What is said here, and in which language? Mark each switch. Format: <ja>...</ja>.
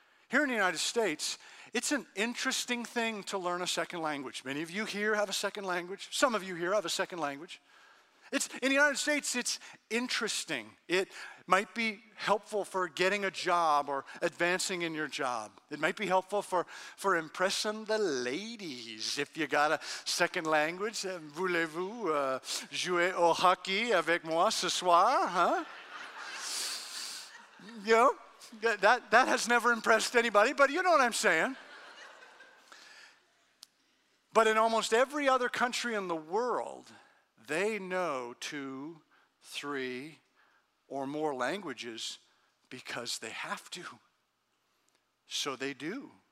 <en>Here in the United States, it's an interesting thing to learn a second language. Many of you here have a second language. Some of you here have a second language. In the United States, it's interesting. It might be helpful for getting a job or advancing in your job. It might be helpful for impressing the ladies. If you got a second language,</en> <fr>voulez-vous jouer au hockey avec moi ce soir, huh?</fr> <en>You know, that has never impressed anybody, but you know what I'm saying. But in almost every other country in the world, they know 2, 3 or more languages because they have to. So they do.</en>